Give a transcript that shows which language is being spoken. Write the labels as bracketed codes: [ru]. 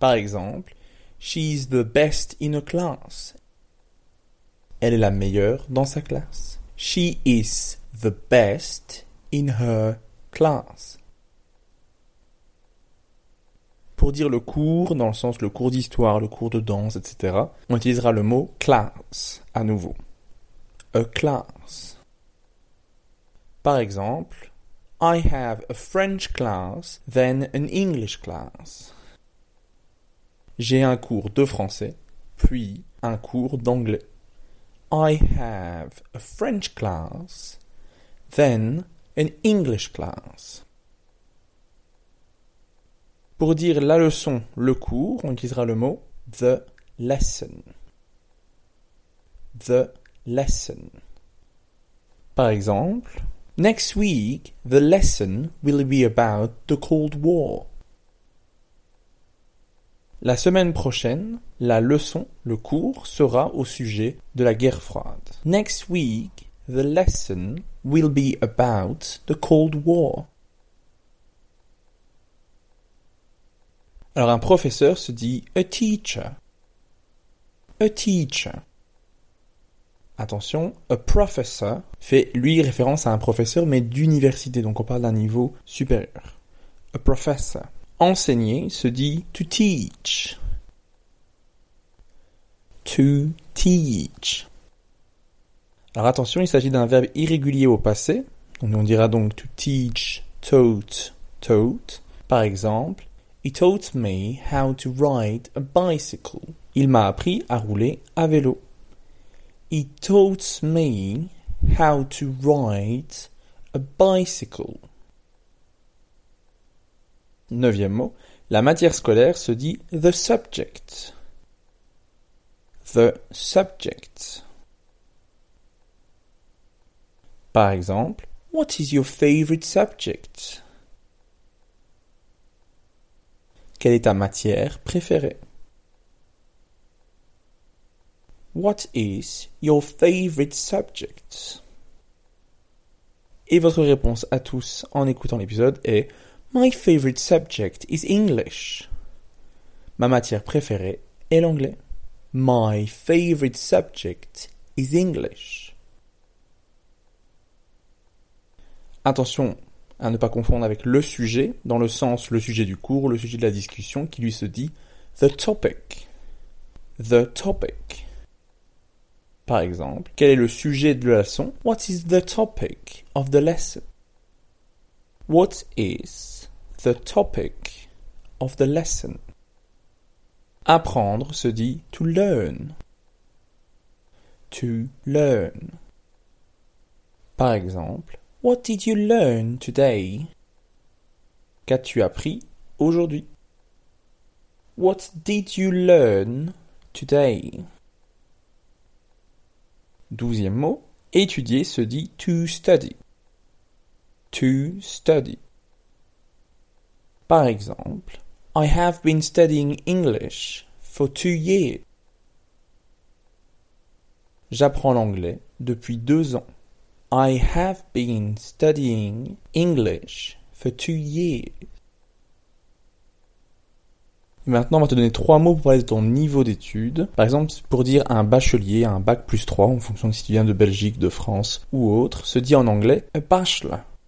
[fr] Par exemple, « [en] she's the best in a class [fr] ». Elle est la meilleure dans sa classe. « [en] She is the best in her class. [fr] Pour dire le cours, dans le sens le cours d'histoire, le cours de danse, etc., on utilisera le mot class à nouveau. [en] A class. [fr] Par exemple, [en] I have a French class, then an English class. [fr] J'ai un cours de français, puis un cours d'anglais. [en] I have a French class, then an English class. [fr] Pour dire la leçon, le cours, on utilisera le mot [en] the lesson. The lesson. [fr] Par exemple, [en] next week, the lesson will be about the Cold War. [fr] La semaine prochaine, la leçon, le cours, sera au sujet de la guerre froide. [en] Next week, the lesson will be about the Cold War. [fr] Alors un professeur se dit [en] a teacher. A teacher. [fr] Attention, [en] a professor [fr] fait lui référence à un professeur mais d'université, donc on parle d'un niveau supérieur. [en] A professor. [fr] Enseigner se dit [en] to teach. To teach. [fr] Alors attention, il s'agit d'un verbe irrégulier au passé. On dira donc [en] to teach, taught, taught. [fr] Par exemple, [en] he taught me how to ride a bicycle. [fr] Il m'a appris à rouler à vélo. [en] He taught me how to ride a bicycle. [fr] Neuvième mot, la matière scolaire se dit [en] the subject. The subject. [fr] Par exemple, [en] what is your favorite subject? [fr] Quelle est ta matière préférée? [en] What is your favorite subject? [fr] Et votre réponse à tous en écoutant l'épisode est [en] my favorite subject is English. [fr] Ma matière préférée est l'anglais. [en] My favorite subject is English. [fr] Attention à ne pas confondre avec le sujet, dans le sens le sujet du cours, le sujet de la discussion, qui lui se dit [en] the topic. The topic. [fr] Par exemple, quel est le sujet de la leçon? [en] What is the topic of the lesson? What is the topic of the lesson? [fr] Apprendre se dit [en] to learn. To learn. [fr] Par exemple, [en] what did you learn today? [fr] Qu'as-tu appris aujourd'hui? [en] What did you learn today? [fr] Douzième mot, étudier se dit [en] to study. To study. [fr] Par exemple, [en] I have been studying English for 2 years. [fr] J'apprends l'anglais depuis 2 ans. [en] I have been studying English for 2 years. [fr] Et maintenant, on va te donner 3 mots pour parler de ton niveau d'études. Par exemple, pour dire un bachelier, un bac plus 3, en fonction de si tu viens de Belgique, de France ou autre, se dit en anglais [en] a bachelor.